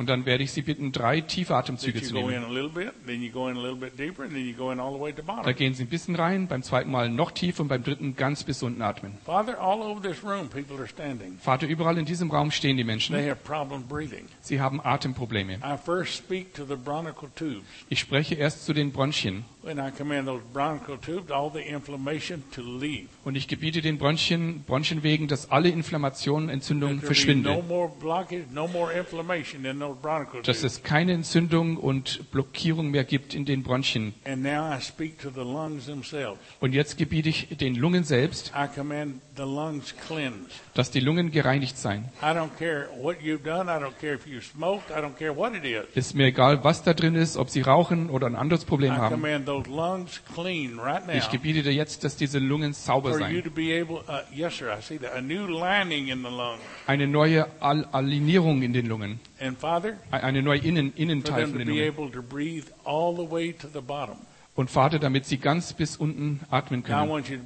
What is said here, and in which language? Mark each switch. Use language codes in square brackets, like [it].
[de] Und dann werde ich Sie bitten, drei tiefe Atemzüge zu nehmen. [en] You go in a little bit, then you go in a little bit deeper, and then you go in all the way to the bottom. [de] Da gehen Sie ein bisschen rein, beim zweiten Mal noch tiefer und beim dritten ganz bis unten atmen. [en] Father, all over this room, people are standing. [de] Vater, überall in diesem Raum stehen die Menschen. [en] They have problem breathing. [de] Sie haben Atemprobleme. [en] I first speak to the bronchial tubes. [de] Ich spreche erst zu den Bronchien. [en] And I command those bronchial tubes, all the inflammation, to leave. [de] Und ich gebiete den Bronchien, Bronchienwegen, dass alle Inflammationen, Entzündungen verschwinden. [en] No more blockage, no more inflammation in those bronchial tubes. [de] Dass es keine Entzündung und Blockierung mehr gibt in den Bronchien. [en] And now I speak to the lungs themselves. [de] Und jetzt gebiete ich den Lungen selbst, [en] I command the lungs cleansed. [de] Dass die Lungen gereinigt seien. [en] I don't care what you've done, I don't care if you smoked, I don't care what it is. [de] Ist mir egal, was da drin ist, ob Sie rauchen oder ein anderes Problem haben. [en] I command those lungs clean right now. [de] Ich gebiete dir jetzt, dass diese Lungen sauber seien. [en] For you to be able, yes, sir, I see that, a new lining in the lungs. [de] Eine neue Alinierung in den Lungen. [en] And Father, [de] eine neue Innenteil in den Lungen. [en] To be able to breathe all the way to the bottom. [de] Und Vater, damit Sie ganz bis unten atmen können.